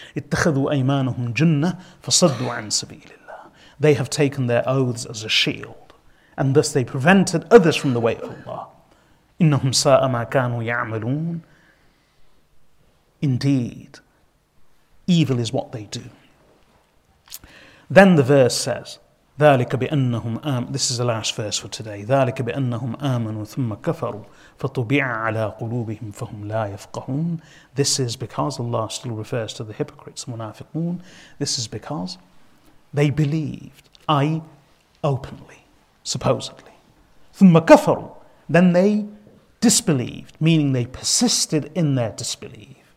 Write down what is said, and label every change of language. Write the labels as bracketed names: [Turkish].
[Arabic] اتَّخَذُوا أَيْمَانَهُمْ جُنَّةً فَصَدُّوا عَن سَبِيلِ. [English] They have taken their oaths as a shield, and thus they prevented others from the way of Allah. [Arabic] إِنَّهُمْ سَاءَ مَا كَانُوا يَعْمَلُونَ. [English] Indeed, evil is what they do. Then the verse says, [Arabic] ذَلِكَ بِأَنَّهُمْ آمَنُوا, [English] this is the last verse for today, [Arabic] ذَلِكَ بِأَنَّهُمْ آمَنُوا ثُمَّ كَفَرُوا فَطُبِعَ عَلَىٰ قُلُوبِهِمْ فَهُمْ لَا يَفْقَهُونَ. [English] This is because Allah still refers to the hypocrites, munafiqun. This is because they believed, i.e. openly, supposedly. [Arabic] ثُمَّ كَفَرُوا, [English] then they disbelieved, meaning they persisted in their disbelief.